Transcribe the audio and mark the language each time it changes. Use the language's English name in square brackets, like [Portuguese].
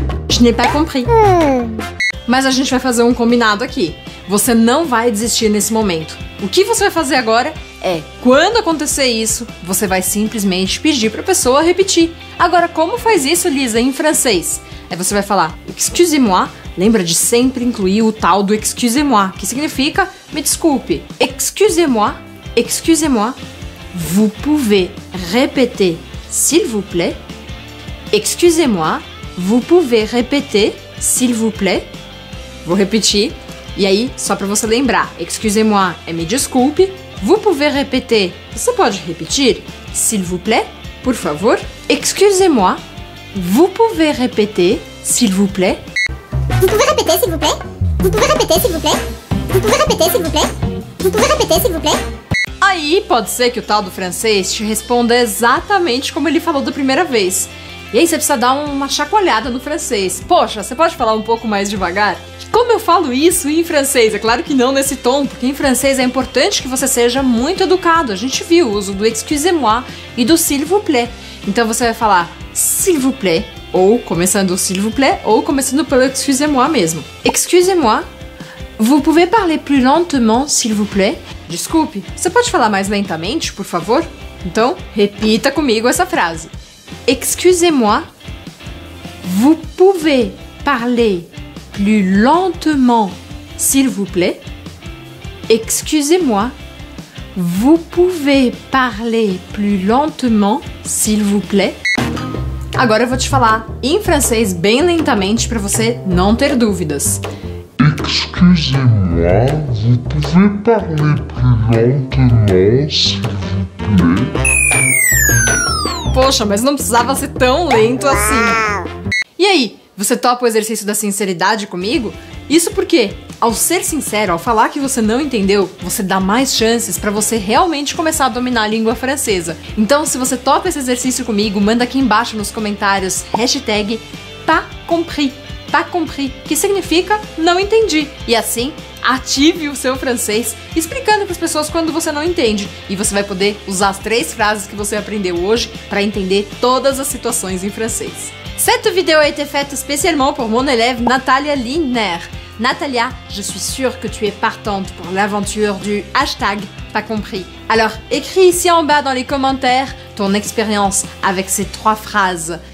[French] Je n'ai pas compris. [Portuguese] Mas a gente vai fazer um combinado aqui. Você não vai desistir nesse momento. O que você vai fazer agora é, quando acontecer isso, você vai simplesmente pedir para a pessoa repetir. Agora, como faz isso, Lisa, em francês? Aí você vai falar "excusez-moi". Lembra de sempre incluir o tal do "excusez-moi", que significa "me desculpe". [French] "Excusez-moi, excusez-moi. Vous pouvez répéter, s'il vous plaît. Excusez-moi. Vous pouvez répéter, s'il vous plaît". [Portuguese] Vou repetir. E aí, só para você lembrar, "excusez-moi" é "me desculpe". [French] "Vous pouvez répéter", [Portuguese] você pode repetir. [French] "S'il vous plaît", [Portuguese] por favor. [French] "Excusez-moi, vous pouvez répéter, s'il vous plaît". Vous pouvez répéter, s'il vous plaît. Vous pouvez répéter, s'il vous plaît. Vous pouvez répéter, s'il vous plaît. Vous pouvez répéter, s'il vous plaît. [Portuguese] Aí, pode ser que o tal do francês te responda exatamente como ele falou da primeira vez. E aí você precisa dar uma chacoalhada no francês. Poxa, você pode falar um pouco mais devagar? Como eu falo isso em francês? É claro que não nesse tom, porque em francês é importante que você seja muito educado. A gente viu o uso do "excusez-moi" e do [French] "s'il vous plaît". [Portuguese] Então você vai falar [French] "s'il vous plaît", [Portuguese] ou começando o "s'il vous plaît", ou começando pelo "excusez-moi" mesmo. [French] "Excusez-moi, vous pouvez parler plus lentement, s'il vous plaît?" [Portuguese] Desculpe, você pode falar mais lentamente, por favor? Então, repita comigo essa frase. [French] "Excusez-moi, vous pouvez parler plus lentement, s'il vous plaît. Excusez-moi, vous pouvez parler plus lentement, s'il vous plaît." [Portuguese] Agora eu vou te falar em francês bem lentamente para você não ter dúvidas. [French] "Excusez-moi, vous pouvez parler plus lentement, s'il vous plaît." [Portuguese] Poxa, mas não precisava ser tão lento assim. E aí, você topa o exercício da sinceridade comigo? Isso porque, ao ser sincero, ao falar que você não entendeu, você dá mais chances para você realmente começar a dominar a língua francesa. Então, se você topa esse exercício comigo, manda aqui embaixo nos comentários hashtag [French] pas compris, pas compris, [Portuguese] que significa "não entendi". E assim, ative o seu francês explicando para as pessoas quando você não entende. E você vai poder usar as três frases que você aprendeu hoje para entender todas as situações em francês. [French] Cette vidéo a été faite spécialement pour mon élève Natalia Lindner. Natalia, je suis sûre que tu es partante pour l'aventure du hashtag pas compris. Alors, écris ici en bas dans les commentaires ton expérience avec ces trois phrases.